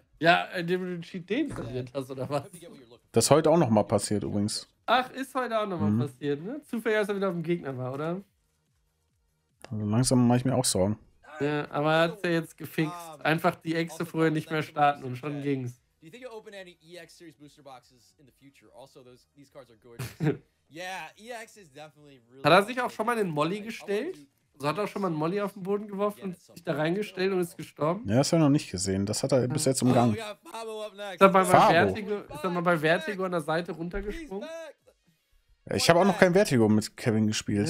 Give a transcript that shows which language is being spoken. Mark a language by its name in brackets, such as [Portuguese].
[German] Ja, indem du den Cheat deinstalliert hast, oder was? Das ist heute auch nochmal passiert, übrigens. Ach, ist heute auch nochmal passiert, ne? Zufällig, als er wieder auf dem Gegner war, oder? Also langsam mache ich mir auch Sorgen. Ja, aber er hat es ja jetzt gefixt. Einfach die Exe früher nicht mehr starten und schon ging's. [English] Do you think you'll open any EX series booster boxes in the future? Also these cards are gorgeous. Yeah, EX is definitely really. [German] Hat er sich auch schon mal einen Molly gestellt? Also hat er auch schon mal einen Molly auf den Boden geworfen und sich da reingestellt und ist gestorben? Ja, das hat er noch nicht gesehen. Das hat er bis jetzt umgangen. Ist er mal bei Vertigo, an der Seite runtergesprungen? Ich habe auch noch kein Vertigo mit Kevin gespielt.